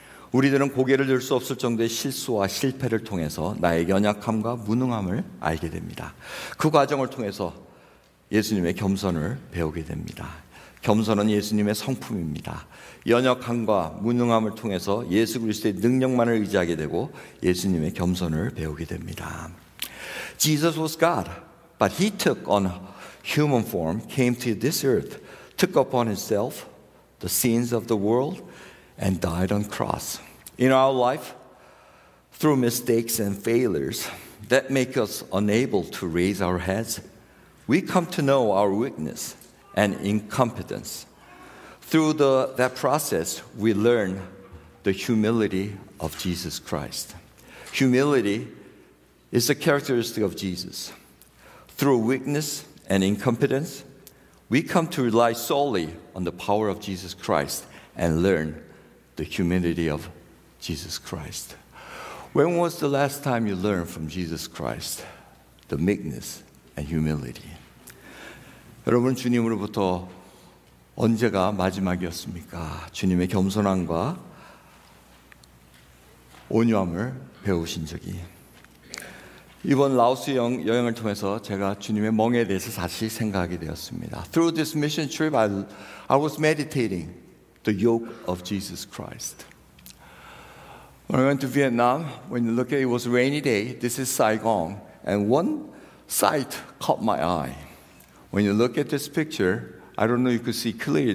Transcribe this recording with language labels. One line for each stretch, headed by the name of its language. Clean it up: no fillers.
Korean: 우리들은 고개를 들 수 없을 정도의 실수와 실패를 통해서 나의 연약함과 무능함을 알게 됩니다. 그 과정을 통해서 예수님의 겸손을 배우게 됩니다. 겸손은 예수님의 성품입니다. 연약함과 무능함을 통해서 예수 그리스도의 능력만을 의지하게 되고 예수님의 겸손을 배우게 됩니다.
English: Jesus was God, but he took on human form, came to this earth, took upon himself the sins of the world, and died on the cross. In our life, through mistakes and failures that make us unable to raise our heads, we come to know our weakness and incompetence. Through that process, we learn the humility of Jesus Christ. Humility is a characteristic of Jesus. Through weakness and incompetence, we come to rely solely on the power of Jesus Christ and learn the humility of Jesus Christ. When was the last time you learned from Jesus Christ the meekness and humility?
Korean: 여러분, 주님으로부터 언제가 마지막이었습니까? 주님의 겸손함과 온유함을 배우신 적이. 이번 라오스 여행을 통해서 제가 주님의 멍에 대해서 다시 생각하게 되었습니다.
English: Through this mission trip, I was meditating the yoke of Jesus Christ. When I went to Vietnam, when you look at it, it was a rainy day. This is Saigon. And one sight caught my eye. When you look at this picture, I don't know if you could see clearly.